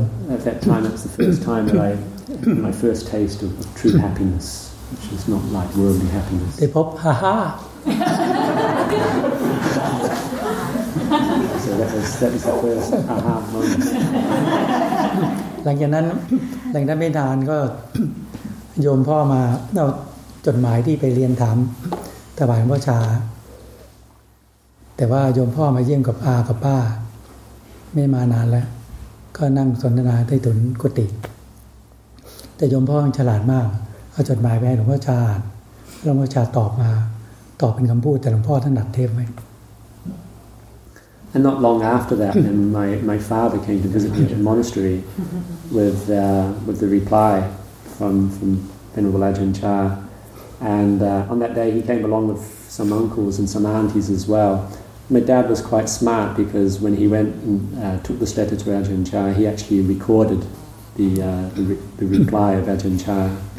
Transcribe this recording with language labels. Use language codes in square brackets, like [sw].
[en] At that time, it's the first time that I had my first taste of true happiness, which is not like worldly happiness. They pop, ha ha! So that was the first ha ha moment. [th] หลังจากนั้นไม่นานก็โยมพ่อมาเอาจดหมายที่ไปเรียนถามถวายหลวงพ่อชาแต่ว่าโยมพ่อมาเยี่ยมกับอากับป้าไม่มานานแล้วก็นั่งสนทนาใต้ถุนกุฏิแต่โยมพ่อฉลาดมากเอาจดหมายไปให้หลวงพ่อชาหลวงพ่อชาตอบมาตอบเป็นคำพูดแต่หลวงพ่อท่านดัดเทพไหม [en] And not long after that, then my father came to visit me at the monastery with the reply from Venerable Ajahn Chah. And on that day, he came along with some uncles and some aunties as well. My dad was quite smart because when he went and took this letter to Ajahn Chah, he actually recorded the reply of Ajahn Chah.